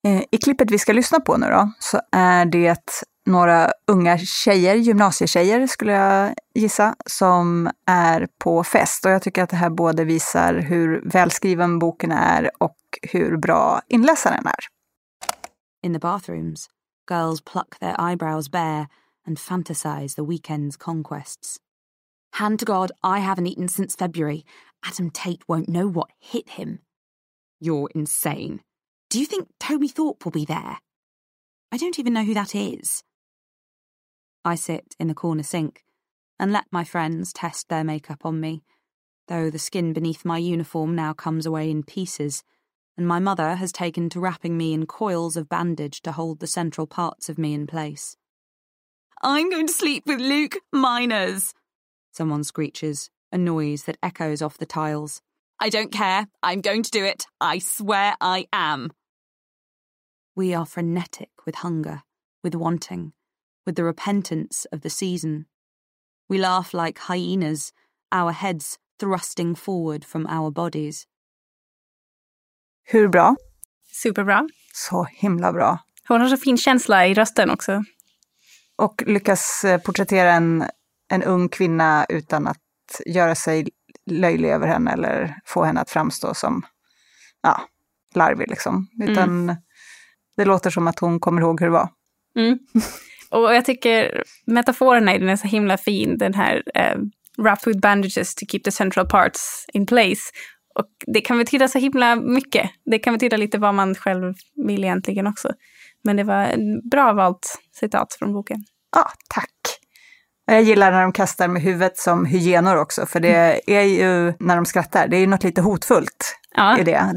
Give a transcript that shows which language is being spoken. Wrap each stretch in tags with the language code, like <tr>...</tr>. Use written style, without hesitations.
<sv>I klippet vi ska lyssna på nu då, så är det några unga tjejer, gymnasietjejer skulle jag gissa, som är på fest. Och jag tycker att det här både visar hur välskriven boken är och hur bra inläsaren är.</sv> <en>In the bathrooms, girls pluck their eyebrows bare and fantasize the weekend's conquests. Hand to God, I haven't eaten since February. Adam Tate won't know what hit him. You're insane. Do you think Toby Thorpe will be there? I don't even know who that is. I sit in the corner sink and let my friends test their makeup on me, though the skin beneath my uniform now comes away in pieces, and my mother has taken to wrapping me in coils of bandage to hold the central parts of me in place. I'm going to sleep with Luke Miners, someone screeches, a noise that echoes off the tiles. I don't care. I'm going to do it. I swear I am. We are frenetic with hunger, with wanting, with the repentance of the season. We laugh like hyenas, our heads thrusting forward from our bodies.</en> <sv>Hur bra? Superbra. Så himla bra. Hon har så fin känsla i rösten också. Och lyckas porträttera en ung kvinna utan att göra sig löjlig över henne eller få henne att framstå som larvig liksom. Utan det låter som att hon kommer ihåg hur det var. Mm. Och jag tycker metaforerna i den är så himla fin. Den här</sv> <en>wrapped with bandages to keep the central parts in place.</en> <sv>Och det kan betyda så himla mycket. Det kan betyda lite vad man själv vill egentligen också. Men det var en bra valt citat från boken. Ja, tack. Jag gillar när de kastar med huvudet som hyenor också. För det är ju, när de skrattar, det är ju något lite hotfullt i det.</sv>